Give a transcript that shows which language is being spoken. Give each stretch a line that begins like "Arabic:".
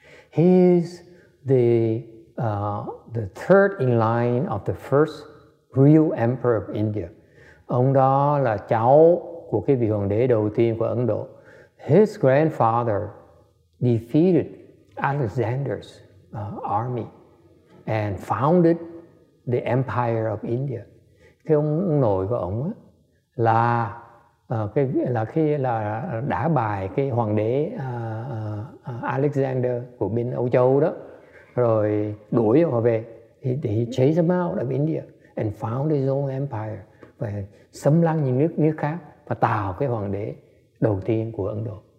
English: He is the third in line of the first real emperor of India.
Vietnamese: Ông đó là cháu của cái vị hoàng đế đầu tiên của Ấn Độ.
English: His grandfather defeated Alexander's army and founded the Empire of India.
Vietnamese: Thế ông nội của ông á là đã bài cái hoàng đế Alexander của bên Âu Châu đó, rồi đuổi họ về.
English: He chased them out of India and found his own empire,
Vietnamese: và xâm lăng những nước khác và tạo cái hoàng đế đầu tiên của Ấn Độ.